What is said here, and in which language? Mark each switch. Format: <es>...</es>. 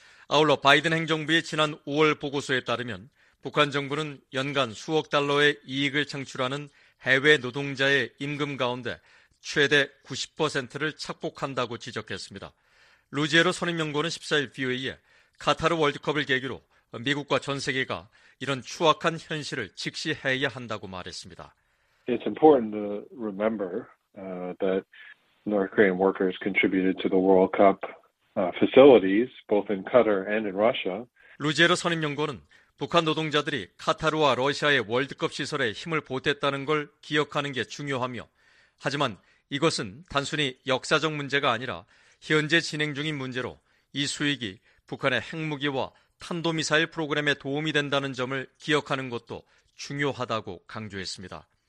<ko>아울러 바이든 행정부의 지난 5월 보고서에 따르면 북한 정부는 연간 수억 달러의 이익을 창출하는 해외 노동자의 임금 가운데 최대 90%를 착복한다고 지적했습니다. 루지에로 선임연구원은 14일 VOA에 카타르 월드컵을 계기로 미국과 전 세계가 이런 추악한 현실을 직시해야 한다고 말했습니다.</ko> <en>It's important to remember that North Korean workers contributed to the World Cup facilities both in Qatar and in Russia.</en> <ko>루제르 선임연구원은 북한 노동자들이 카타르와 러시아의 월드컵 시설에 힘을 보탰다는 걸 기억하는 게 중요하며 하지만 이것은 단순히 역사적 문제가 아니라 현재 진행 중인 문제로 이 수익이 북한의 핵무기와 탄도미사일 프로그램에 도움이 된다는 점을 기억하는 것도 중요하다고 강조했습니다.</ko>